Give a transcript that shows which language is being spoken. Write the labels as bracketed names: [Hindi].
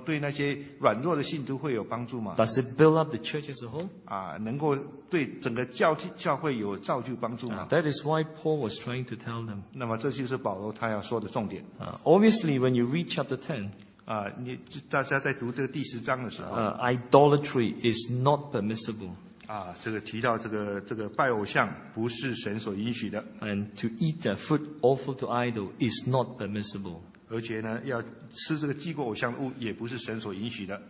[Chinese] 你这样做会不会造就教会？那么对那些软弱的信徒会有帮助吗？ [English] Does it build up the church as a whole? [Chinese] 能够对整个教会有造就帮助吗？ [English] That is why Paul was trying to tell them. [Chinese] 那么这就是保罗他要说的重点。 [English] Obviously, when you read chapter 10, [Chinese] 大家在读这个第十章的时候, [English] idolatry is not permissible. [Chinese] 这个提到这个拜偶像不是神所允许的。 [English] And to eat the food offered to idol is not permissible. [Chinese] 而且呢，要吃这个祭过偶像的物，也不是神所允许的。